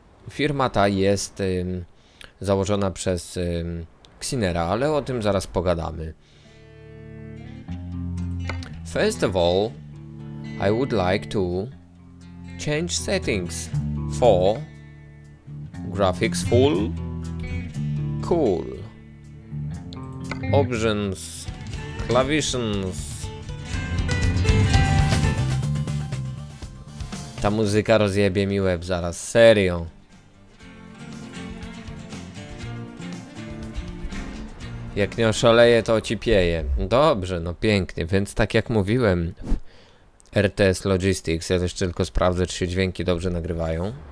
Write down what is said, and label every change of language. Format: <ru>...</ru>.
<pl>Firma ta jest założona przez Xinera, ale o tym zaraz pogadamy.</pl> <en>First of all, I would like to change settings for graphics full, cool, options, clavishes.</en> <pl>Ta muzyka rozjebie mi web zaraz, serio. Jak nie oszaleje, to ocipieje. Dobrze, no pięknie, więc tak jak mówiłem, RTS Logistics, ja też tylko sprawdzę, czy się dźwięki dobrze nagrywają.</pl>